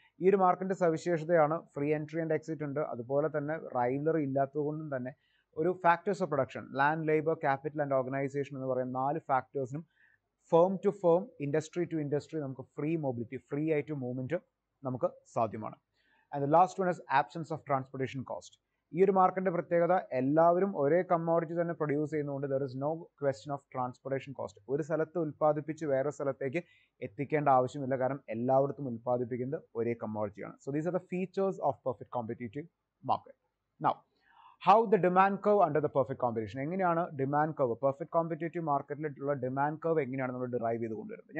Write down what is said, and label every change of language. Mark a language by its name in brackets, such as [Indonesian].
[Malayalam] ഈ ഒരു മാർക്കറ്റിൻ്റെ സവിശേഷതയാണ് ഫ്രീ എൻട്രി ആൻഡ് എക്സിറ്റ് ഉണ്ട്, അതുപോലെ തന്നെ റൈവലറി ഇല്ലാത്തതുകൊണ്ടും തന്നെ ഒരു factors of production, land, labour, capital and organisation എന്ന് പറയുന്ന നാല് ഫാക്ടേഴ്സിനും firm to firm, industry to industry നമുക്ക് ഫ്രീ മൊബിലിറ്റി, ഫ്രീ ആയിട്ട് മൂവ്മെൻറ്റ് നമുക്ക് സാധ്യമാണ്. [English] And the last one is absence of transportation cost. [Malayalam] ഈ ഒരു മാർക്കറ്റിന്റെ പ്രത്യേകത എല്ലാവരും ഒരേ കമ്മോഡിറ്റി തന്നെ പ്രൊഡ്യൂസ് ചെയ്യുന്നതുകൊണ്ട് [English] There is no question of transportation cost. [Malayalam] ഒരു സ്ഥലത്ത് ഉത്പാദിപ്പിച്ച് വേറെ സ്ഥലത്തേക്ക് എത്തിക്കേണ്ട ആവശ്യമില്ല, കാരണം എല്ലായിടത്തും ഉത്പാദിപ്പിക്കുന്നത് ഒരേ കമ്മോഡിറ്റിയാണ്. [English] So these are the features of perfect competitive market. Now how the demand curve under the perfect competition, [Malayalam] എങ്ങനെയാണ് demand curve perfect competitive മാർക്കറ്റിലുള്ള demand curve എങ്ങനെയാണ് നമ്മൾ ഡിറൈവ് ചെയ്ത് കൊണ്ടുവരുന്നത്?